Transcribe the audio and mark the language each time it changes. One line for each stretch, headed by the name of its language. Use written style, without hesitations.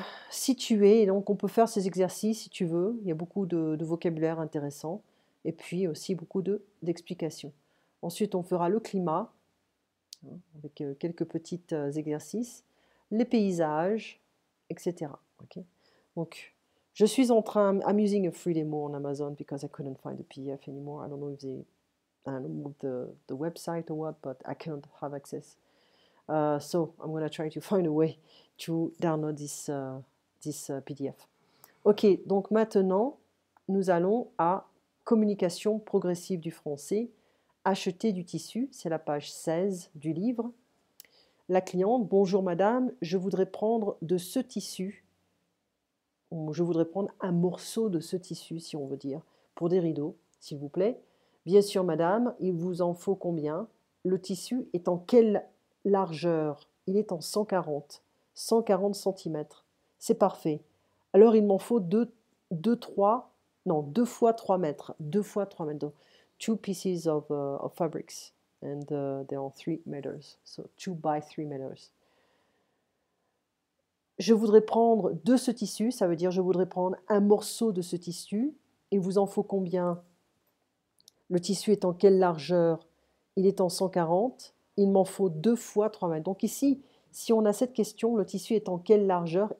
French: Situé, donc on peut faire ces exercices si tu veux. Il y a beaucoup de vocabulaire intéressant et puis aussi beaucoup d'explications. Ensuite, on fera le climat avec quelques petits exercices, les paysages, etc. Okay. Donc, je suis en train,
English: I'm using a free demo on Amazon because I couldn't find the PDF anymore. I don't know if they, I don't know the website or what, but I can't have access. So I'm going to try to find a way to download this PDF.
French: OK, donc maintenant, nous allons à communication progressive du français, acheter du tissu, c'est la page 16 du livre. La cliente, bonjour madame, je voudrais prendre de ce tissu, ou je voudrais prendre un morceau de ce tissu, si on veut dire, pour des rideaux, s'il vous plaît. Bien sûr madame, il vous en faut combien? Le tissu est en quelle largeur? Il est en 140. 140 cm. C'est parfait. Alors il m'en faut deux fois 3 mètres. Deux fois 3 mètres.
English: Donc, two pieces of fabrics. And they are 3 meters. So 2 by 3 meters.
French: je voudrais prendre de ce tissu, ça veut dire je voudrais prendre un morceau de ce tissu. Il vous en faut combien ? Le tissu est en quelle largeur ? Il est en 140. Il m'en faut 2 fois 3 mètres. Donc ici, si on a cette question, le tissu est en quelle largeur ?